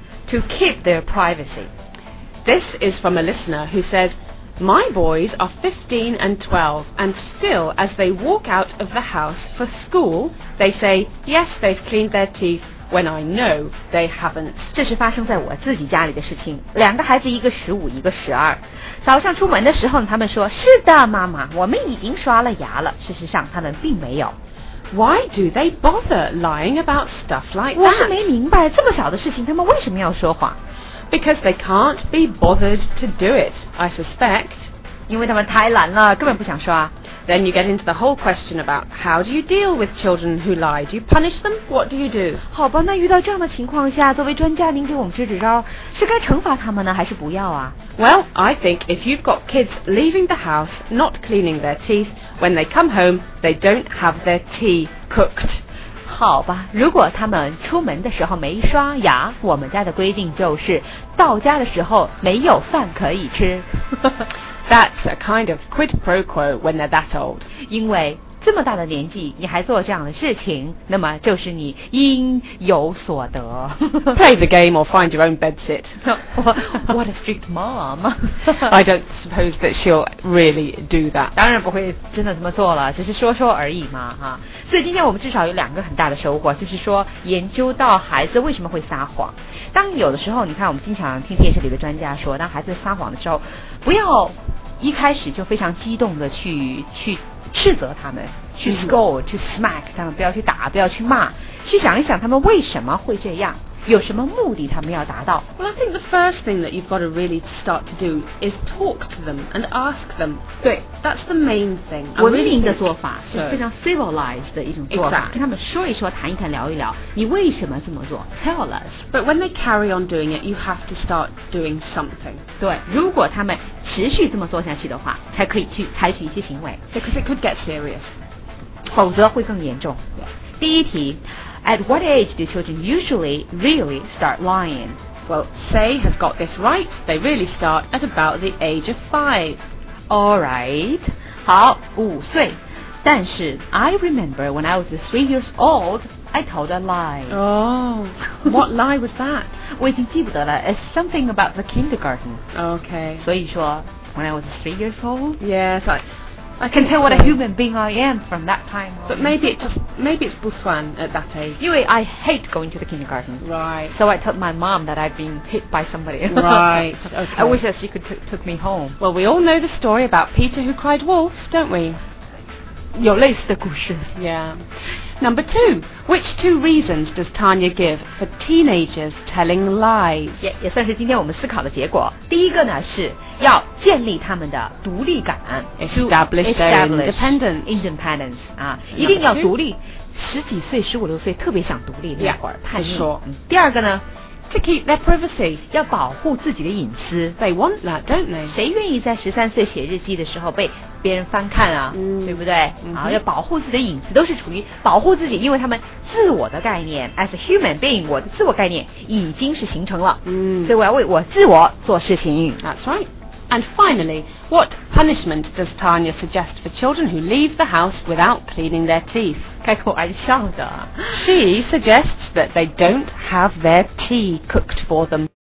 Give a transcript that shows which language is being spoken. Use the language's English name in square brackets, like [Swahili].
[English] to keep their privacy. This is from a listener who says, "My boys are 15 and 12, and still, as they walk out of the house for school, they say, 'Yes, they've cleaned their teeth.'" When I know they haven't. [Chinese] 这是发生在我自己家里的事情。两个孩子，一个十五，一个十二。早上出门的时候，他们说：“是的，妈妈，我们已经刷了牙了。” 事实上，他们并没有。 [English] Why do they bother lying about stuff like that? [Chinese] 我是没明白，这么小的事情，他们为什么要说谎 [English] ？Because they can't be bothered to do it, I suspect. [Chinese] 因为他们太懒了，根本不想刷。 [English] Then you get into the whole question about how do you deal with children who lie? Do you punish them? What do you do? [Chinese] 好吧，那遇到这样的情况下，作为专家，您给我们支支招，是该惩罚他们呢，还是不要啊？ [English] Well, I think if you've got kids leaving the house, not cleaning their teeth, when they come home, they don't have their tea cooked. [Chinese] 好吧，如果他们出门的时候没刷牙，我们家的规定就是到家的时候没有饭可以吃。 [English] That's a kind of quid pro quo when they're that old. [Chinese] 因为这么大的年纪你还做这样的事情那么就是你应有所得。 [English] Play the game or find your own bedsit. What a strict mom. I don't suppose that she'll really do that. [Chinese] 当然不会真的这么做了只是说说而已嘛哈。所以今天我们至少有两个很大的收获就是说研究到孩子为什么会撒谎。当有的时候你看我们经常听电视里的专家说当孩子撒谎的时候不要一开始就非常激动的去斥责他们去 scold, 去 smack 他们不要去打不要去骂去想一想他们为什么会这样有什么目的他们要达到 [English] Well, I think the first thing that you've got to really start to do is talk to them and ask them. [Chinese] 对 [English] That's the main thing. [Chinese] 文明的做法是非常 civilized 的一种做法跟他们说一说谈一谈聊一聊你为什么这么做 [English] Tell us. But when they carry on doing it, you have to start doing something. [Chinese] 对如果他们持续这么做下去的话才可以去采取一些行为 [English] Because it could get serious. [Chinese] 否则会更严重、yeah. 第一题 [English] At what age do children usually really start lying? Well, Say has got this right. They really start at about the age of 5. All right. [Chinese] 好，五岁。但是 [English] I remember when I was 3 years old, I told a lie. Oh, what lie was that? [Chinese] 我已经记不得了。 [English] It's something about the kindergarten. Okay. [Chinese] 所以说 [English] when I was 3 years old? Yes, I can tell what a human being I am from that time on. But maybe it's Busuan at that age. Anyway, I hate going to the kindergarten. Right. So I told my mom that I've been hit by somebody. Right. Okay. I wish that she could took me home. Well, we all know the story about Peter who cried wolf, don't we? [Chinese] 有类似的故事。 [English] Yeah. Number two, which two reasons does Tanya give for teenagers telling lies? [Chinese] 也算是今天我们思考的结果。第一个呢是要建立他们的独立感 [English] ，establish their independence [Chinese] 啊，一定要独立。十几岁、十五六岁特别想独立那会儿，叛逆。第二个呢， [English] To keep their privacy. [Chinese] 要保护自己的隐私。 [English] They want that, don't they? [Chinese] 谁愿意在13岁写日记的时候被别人翻看啊、对不对、好，要保护自己的隐私，都是处于保护自己，因为他们自我的概念 [English] as a human being, [Chinese] 我的自我概念已经是形成了、所以我要为我自我做事情。 [English] That's right. And finally, what punishment does Tanya suggest for children who leave the house without cleaning their teeth? [Chinese] 该我爱笑的。 [English] She suggests that they don't have their tea cooked for them.